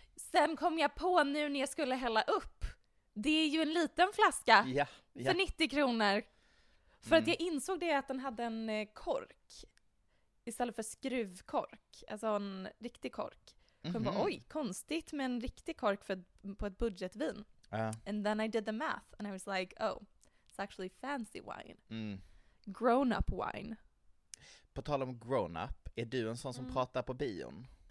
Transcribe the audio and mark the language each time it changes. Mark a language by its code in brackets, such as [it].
[sv] Sen kom jag på nu när jag skulle hälla upp. Det är ju en liten flaska för 90 kronor. För att jag insåg det att den hade en kork istället för skruvkork. Alltså en riktig kork. Bara, oj, konstigt med en riktig kork på ett budgetvin. [en] And then I did the math and I was like, oh, it's actually fancy wine. Mm. Grown-up wine. [sv] På tal om grown-up, är du en sån som pratar på bion?